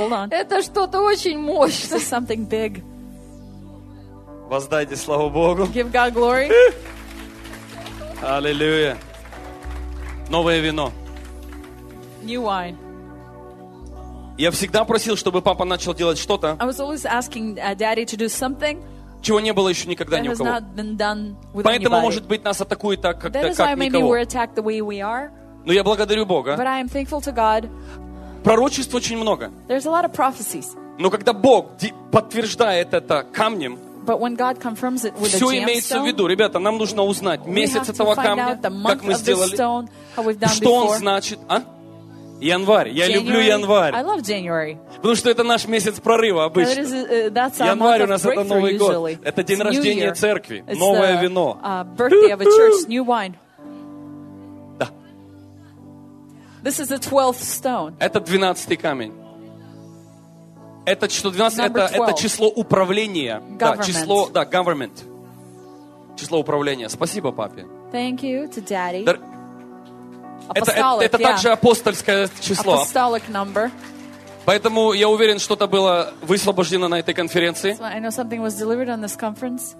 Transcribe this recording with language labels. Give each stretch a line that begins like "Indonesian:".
Russian: Это что-то очень мощное. Воздайте славу Богу.
English: Give God glory.
Russian: Аллилуйя. Новое вино.
English: New wine.
Russian: Я всегда просил, чтобы папа начал делать что-то.
English: I was always asking daddy to do something.
Russian: Чего не было еще никогда ни у кого. Поэтому,
English: anybody.
Russian: Может быть, нас атакует так, как,
English: that That is why maybe we're attacked the way we are.
Russian: Но я благодарю Бога.
English: But I am thankful to God.
Russian: Пророчеств очень много.
English: There's a lot of prophecies.
Russian: Но когда Бог подтверждает это камнем,
English: but when God confirms it with a gemstone,
Russian: все имеется в виду. Ребята, нам нужно узнать месяц этого камня, как мы сделали, что он значит. А? Январь. Я люблю январь.
English: I love January.
Russian: Потому что это наш месяц прорыва обычно. Январь у нас это Новый год. Это день рождения церкви. Новое вино.
English: Birthday of a church, new wine.
Russian: Да.
English: This is the 12th stone.
Russian: Это 12-й камень. Это число 12, это число управления.
English: Government.
Russian: Да, число, да, government. Число управления. Спасибо папе.
English: Thank you to daddy.
Russian: Это также апостольское число.
English: Apostolic number.
Russian: Поэтому я уверен, что-то было высвобождено на этой конференции.
English: So I know something was delivered on this conference.